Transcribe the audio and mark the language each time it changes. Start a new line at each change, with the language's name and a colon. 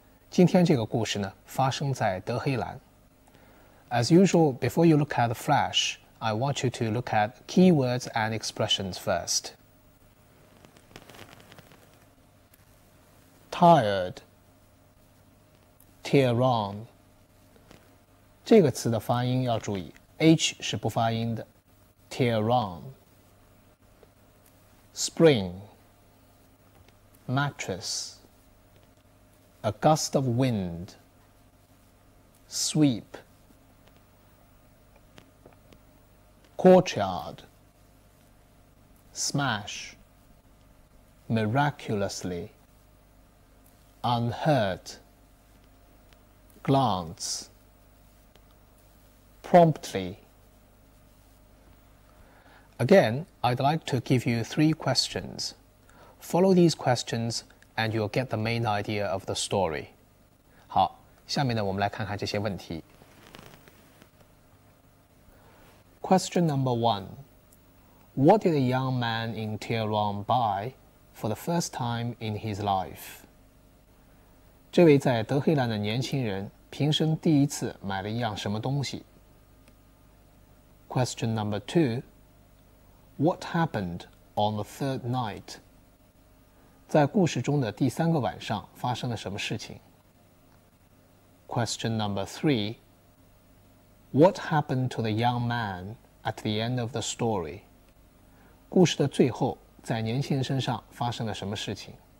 Chinese: 今天这个故事呢发生在德黑兰。
English: As usual, before you look at the flash, I want you to look at keywords and expressions first. Tired, Tehran.
Chinese: 这个词的发音要注意 ，H 是不发音的。
English: Tehran. Spring, mattress. A gust of wind. Sweep. Courtyard. Smash. Miraculously. Unhurt, glance, promptly. Again, I'd like to give you three questions. Follow these questions and you'll get the main idea of the story.
Chinese: 好，下面呢，我们来看看这些问题。
English: Question number one. What did a young man in Tehran buy for the first time in his life?
Chinese: 这位在德黑兰的年轻人平生第一次买了一样什么东西
English: Question number two. What happened on the third night?
Chinese: 在故事中的第三个晚上发生了什么事情
English: Question number three. What happened to the young man at the end of the story?
Chinese: 故事的最后在年轻人身上发生了什么事情